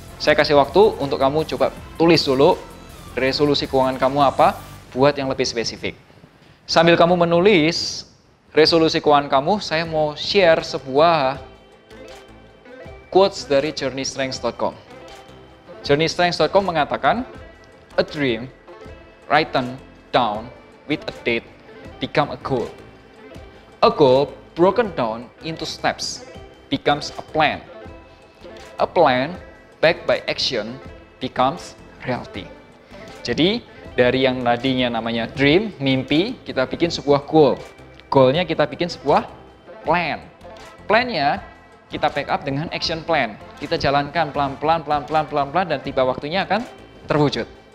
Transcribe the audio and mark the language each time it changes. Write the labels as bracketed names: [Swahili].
[Indonesian] Saya kasih waktu untuk kamu coba tulis dulu resolusi keuangan kamu apa, buat yang lebih spesifik. Sambil kamu menulis resolusi keuangan kamu, saya mau share sebuah quotes dari JourneyStrengths.com. [English] JourneyStrengths.com mengatakan, "A dream written down with a date become a goal. A goal broken down into steps becomes a plan. A plan backed by action becomes reality." [Indonesian] Jadi, dari yang tadinya namanya dream, mimpi, kita bikin sebuah goal. Goalnya kita bikin sebuah plan. Plannya kita backup dengan action plan. Kita jalankan pelan-pelan, dan tiba waktunya akan terwujud.